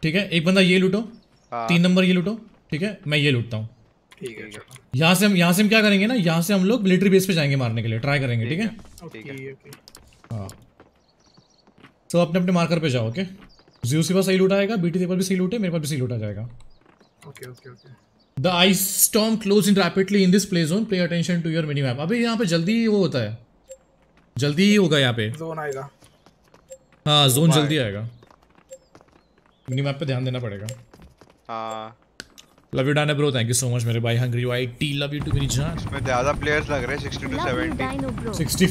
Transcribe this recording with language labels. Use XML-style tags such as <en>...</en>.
<hi>ठीक है, एक बंदा ये लूटो, तीन नंबर ये लूटो, ठीक है मैं ये लूटता हूँ, ठीक है। यहाँ से हम क्या करेंगे ना, यहाँ से हम लोग मिलिट्री बेस पे जाएंगे मारने के लिए, ट्राई करेंगे, ठीक है? हाँ, सो अपने अपने मार्कर पे जाओ, ओके। ज्यूस के पास सही लूटाएगा, बीटी पर भी सही लूटे, मेरे पास भी सही लूटा जाएगा।</hi> <en>The ice storm closed in rapidly in this play zone. Pay attention to your mini map.</en> <hi>अभी यहाँ पे जल्दी वो होता है, जल्दी ही होगा यहाँ पे zone आएगा। हाँ zone जल्दी आएगा, mini map पे ध्यान देना पड़ेगा। हाँ</hi> <en>love you dino bro thank you so much</en> <hi>मेरे भाई</hi> <en>hungry IT love you too</en> <hi>मेरी जान इसमें ज्यादा प्लेयर्स लग रहे हैं 60 टू 70</hi>